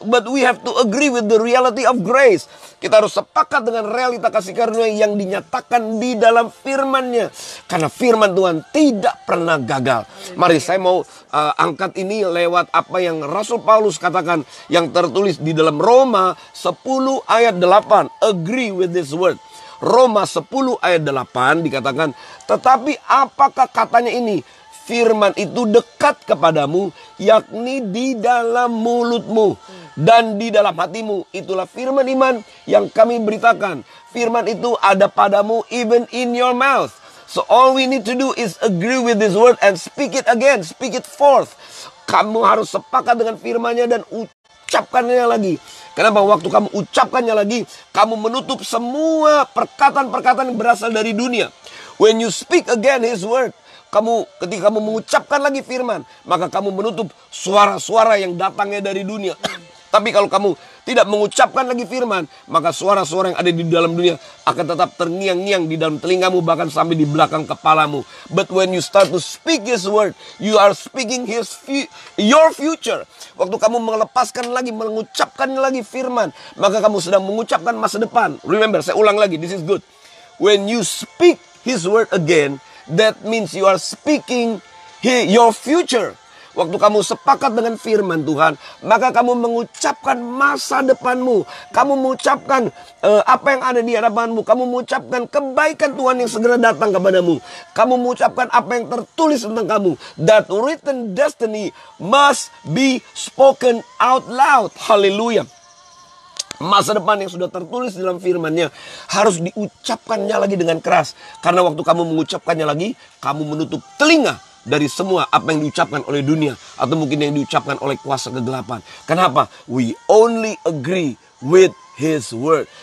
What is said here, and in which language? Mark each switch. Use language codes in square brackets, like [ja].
[en] But we have to agree with the reality of grace. [id] Kita harus sepakat dengan realita kasih karunia yang dinyatakan di dalam firman-Nya. Karena firman Tuhan tidak pernah gagal. Mari saya mau angkat ini lewat apa yang Rasul Paulus katakan yang tertulis di dalam Roma 10 ayat 8. [en] Agree with this word. [id] Roma 10 ayat 8 dikatakan, tetapi apakah katanya ini? Firman itu dekat kepadamu, yakni di dalam mulutmu dan di dalam hatimu. Itulah firman iman yang kami beritakan. Firman itu ada padamu, [en] even in your mouth. So all we need to do is agree with this word and speak it again, speak it forth. [id] Kamu harus sepakat dengan firmannya dan ucapkannya lagi. Kenapa? Waktu kamu ucapkannya lagi, kamu menutup semua perkataan-perkataan yang berasal dari dunia. [en] When you speak again his word, [id] kamu ketika kamu mengucapkan lagi firman, maka kamu menutup suara-suara yang datangnya dari dunia. Tapi kalau kamu tidak mengucapkan lagi firman, maka suara-suara yang ada di dalam dunia akan tetap terngiang-ngiang di dalam telingamu, bahkan sampai di belakang kepalamu. [en] But when you start to speak his word, you are speaking his your future. [id] Waktu kamu melepaskan lagi, mengucapkan lagi firman, maka kamu sedang mengucapkan masa depan. [en] Remember, [id] saya ulang lagi, [en] this is good. When you speak his word again, that means you are speaking your future. [id] Waktu kamu sepakat dengan firman Tuhan, maka kamu mengucapkan masa depanmu. Kamu mengucapkan apa yang ada di hadapanmu. Kamu mengucapkan kebaikan Tuhan yang segera datang kepadamu. Kamu mengucapkan apa yang tertulis tentang kamu. [en] That written destiny must be spoken out loud. Hallelujah. [id] Masa depan yang sudah tertulis dalam firman-Nya harus diucapkannya lagi dengan keras. Karena waktu kamu mengucapkannya lagi, kamu menutup telinga dari semua apa yang diucapkan oleh dunia atau mungkin yang diucapkan oleh kuasa kegelapan. Kenapa? [en] We only agree with his word.